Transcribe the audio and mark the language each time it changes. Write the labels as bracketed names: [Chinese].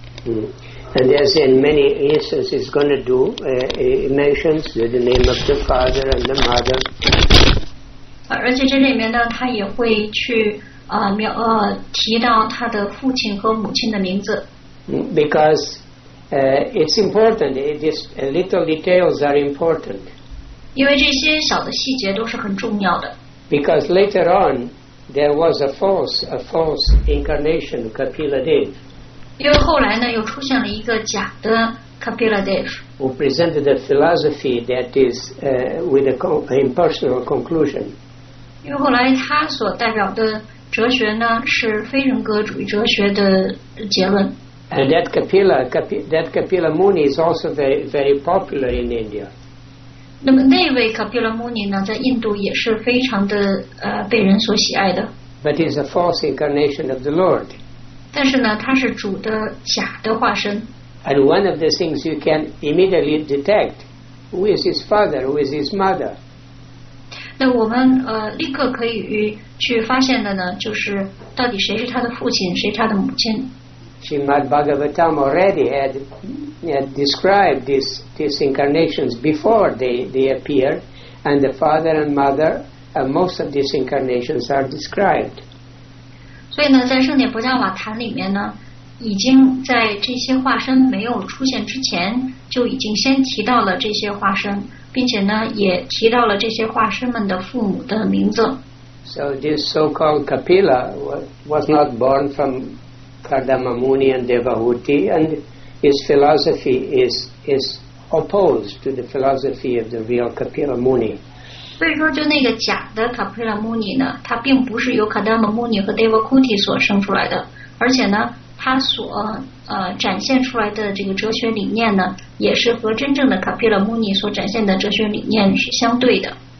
[English] And as in many instances going to do, he mentions the name of the father and the mother. [Chinese] 而且这里面呢，他也会去提到他的父亲和母亲的名字。 [English] Because it's important. These little details are important. [Chinese] 因为这些小的细节都是很重要的。 [English] Because later on, there was a false incarnation, Kapila Dev. [Chinese] 因为后来呢，又出现了一个假的 Kapila Dev. [English] Who presented a philosophy that is with an impersonal conclusion. [Chinese] 因为后来他所代表的哲学呢，是非人格主义哲学的结论。 [English] And that Kapila, that Kapila Muni is also very, very popular in India. [Chinese] 那么那位 Kapila Muni 呢，在印度也是非常的被人所喜爱的。 [English] But it's a false incarnation of the Lord. [Chinese] 但是呢，他是主的假的化身。 [English] And one of the things you can immediately detect, who is his father, who is his mother? [Chinese] 那我们立刻可以去发现的呢，就是到底谁是他的父亲，谁是他的母亲。 [English] Srimad Bhagavatam already had described these incarnations before they appear, and the father and mother, most of these incarnations are described. [Chinese] 所以呢，在圣典婆伽瓦坛里面呢，已经在这些化身没有出现之前，就已经先提到了这些化身，并且呢，也提到了这些化身们的父母的名字。 [English] So this so-called Kapila was not born from Kardamamuni and Devahuti, and his philosophy is opposed to the philosophy of the real Kapila Muni. [Chinese] 所以说，就那个假的 Kapila Muni 呢，他并不是由 Kardamamuni 和 Devahuti 所生出来的，而且呢，他所展现出来的这个哲学理念呢，也是和真正的 Kapila Muni 所展现的哲学理念是相对的。